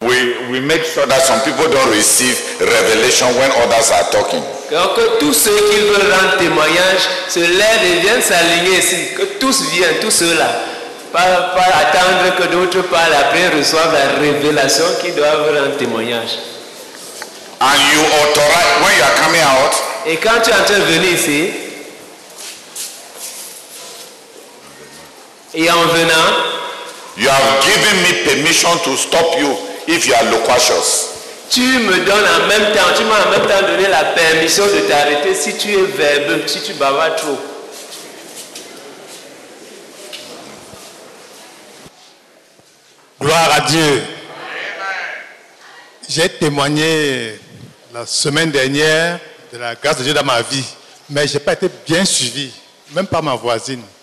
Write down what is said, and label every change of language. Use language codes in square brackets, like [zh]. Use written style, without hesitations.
[en] we make sure that some people don't receive revelation when others are talking. [fr] Que tous ceux qui veulent rendre témoignage se lèvent et viennent s'aligner ici. Que tous viennent, tous ceux-là. Pas attendre que d'autres parlent après reçoivent la révélation qui doivent rendre témoignage. [en] And you authorize when you are coming out. [fr] Et quand tu es en train de venir ici, et en venant, [en] you have given me permission to stop you if you are loquacious. [fr] Tu me donnes en même temps, tu m'as en même temps donné la permission de t'arrêter si tu es verbeux, si tu bavardes trop. Gloire à Dieu. J'ai témoigné la semaine dernière de la grâce de Dieu dans ma vie, mais je n'ai pas été bien suivi, même par ma voisine.